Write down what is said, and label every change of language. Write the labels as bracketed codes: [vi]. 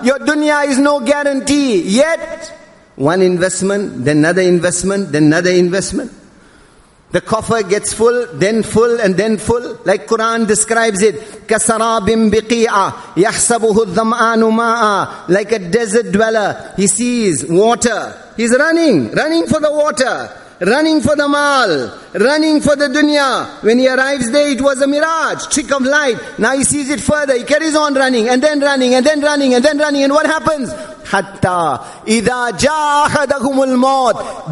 [en] Your dunya is no guarantee. Yet, one investment, then another investment, then another investment. The coffer gets full, then full, and then full. Like Quran describes it, [ar] كَسَرَابٍ بِقِيعَ يَحْسَبُهُ الظَّمْآنُ مَاءً. [en] Like a desert dweller, he sees water. He's running for the water, running for the maal, running for the dunya. When he arrives there, it was a mirage, trick of light. Now he sees it further, he carries on running, and then running, and then running, and then running. And what happens? [ar] حَتَّى إِذَا جَاءَ أَحَدَهُمُ الْمَوْتِ.